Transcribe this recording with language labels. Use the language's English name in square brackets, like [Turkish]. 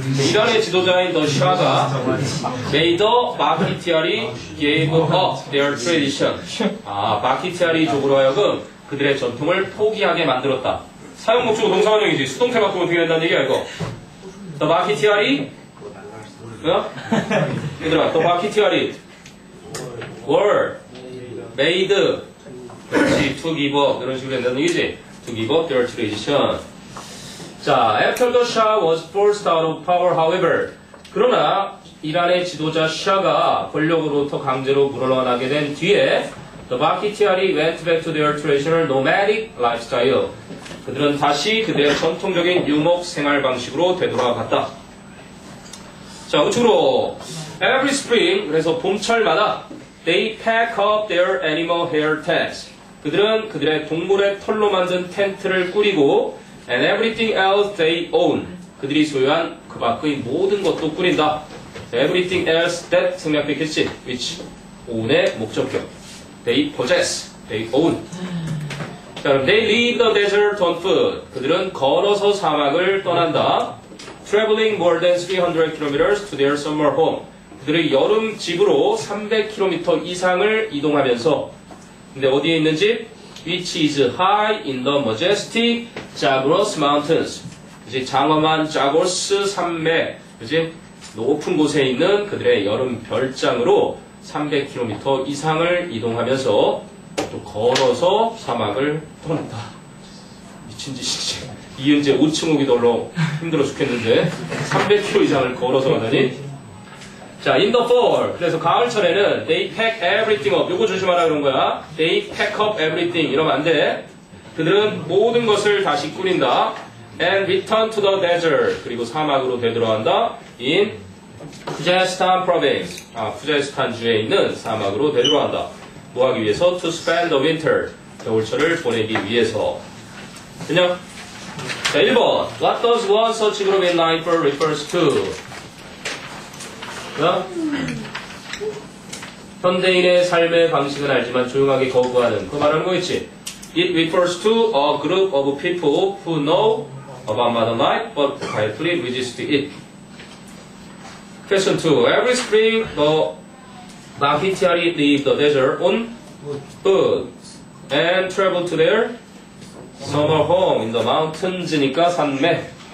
[Korean] 이란의 지도자인 [English] the Shah가 made the Bakhtiari gave up their tradition. [Korean] 아 Bakhtiari 쪽으로 하여금 그들의 전통을 포기하게 만들었다. 사용 목적은 동사원형이지. 수동태 바꾸면 어떻게 된다는 얘기야 이거? [English] The Bakhtiari [Korean] 뭐야? 얘들아, [English] the Bakhtiari were made [Korean] 그렇지, [English] to give up. [Korean] 이런 식으로 된다는 얘기지. [English] To give up their tradition. 자, after the Shah was forced out of power, however. [Korean] 그러나, 이란의 지도자 샤가 권력으로부터 강제로 물러나게 된 뒤에, [English] the Bakhtiari went back to their traditional nomadic lifestyle. [Korean] 그들은 다시 그들의 전통적인 유목 생활 방식으로 되돌아갔다. [English] 자, [Korean] 우측으로 [English] every spring, [Korean] 그래서 봄철마다 [English] they pack up their animal hair tents. [Korean] 그들은 그들의 동물의 털로 만든 텐트를 꾸리고 [English] and everything else they own. [Korean] 그들이 소유한 그 밖의 모든 것도 꾸린다. [English] Everything else that [Korean] 생략되겠지. [English] Which own의 [Korean] 목적격. [English] They possess. They own. 자, 그럼 they leave the desert on foot. [Korean] 그들은 걸어서 사막을 떠난다. [English] Traveling more than 300km to their summer home. [Korean] 그들의 여름 집으로 300km 이상을 이동하면서 근데 어디에 있는 집? [English] Which is high in the majestic Zagros Mountains. [Korean] 이제 장엄한 자고스 산맥 그지? 높은 곳에 있는 그들의 여름 별장으로 300km 이상을 이동하면서 또 걸어서 사막을 떠난다. 미친 짓이지. 이은재 5층 오기도 힘들어 죽겠는데 300km 이상을 걸어서 가다니. [English] 자, in the fall, [Korean] 그래서 가을철에는 [English] they pack everything up. [Korean] 요거 조심하라 그런 거야. [English] They pack up everything. [Korean] 이러면 안 돼. 그들은 모든 것을 다시 꾸린다. [English] And return to the desert. [Korean] 그리고 사막으로 되돌아간다. [English] In Khuzestan province. [Korean] 아, 쿠제스탄 주에 있는 사막으로 되돌아간다. 뭐 하기 위해서? [English] To spend the winter. [Korean] 겨울철을 보내기 위해서. 그냥 자, 1번. [English] What does one such group in life refers to? [Korean] 자, 현대인의 삶의 방식은 알지만 조용하게 거부하는. 그거 말하는 거 있지? [English] It refers to a group of people who know about modern life but quietly resist it. Question 2. Every spring, the Bakhtiari leave the desert on foot and travel to their summer home in the mountains니까 [Korean] 산맥.